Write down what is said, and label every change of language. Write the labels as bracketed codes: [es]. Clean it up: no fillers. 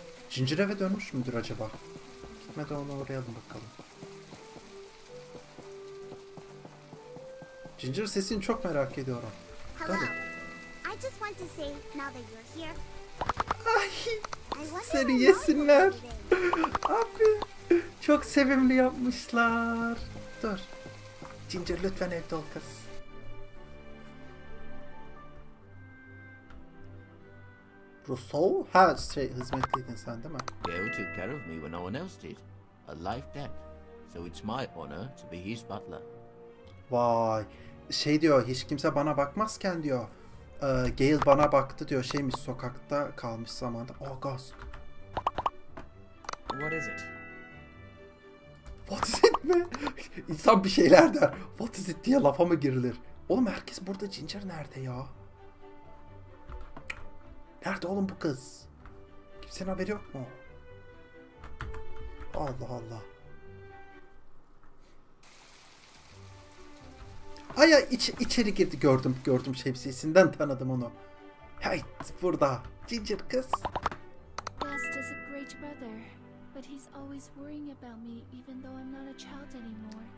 [tr] Cincir eve dönmüş müdür acaba? Gitmeden ona uğrayalım bakalım. Cincir sesini çok merak ediyorum. Hadi. [en] I just want to say now that you're here. [tr] Ay, seni yesinler. Abi, çok sevimli yapmışlar. Dur. Cincir lütfen evde ol kız. Rousseau has straight hizmetliydi sen değil mi? [en] Yeah, who took care of me when no one else did. A life debt. So it's my honor to be his butler. [tr] Vay. Şey diyor, hiç kimse bana bakmazken diyor. Gale bana baktı diyor, şeymiş, sokakta kalmış zamanda. [en] Oh, ghost. What is it? What is it [tr] mi? İnsan bir şeyler der. [en] What is it [tr] diye lafa mı girilir? Oğlum herkes burada, Ginger nerede ya? Nerede oğlum bu kız? Kimsenin haberi yok mu? Allah Allah. Ay ya, içeri girdi, gördüm şemsiyesinden tanıdım onu. Hey, burada. Ginger kız. [en] Gast is a great brother, but he's always worrying about me even though I'm not a child anymore.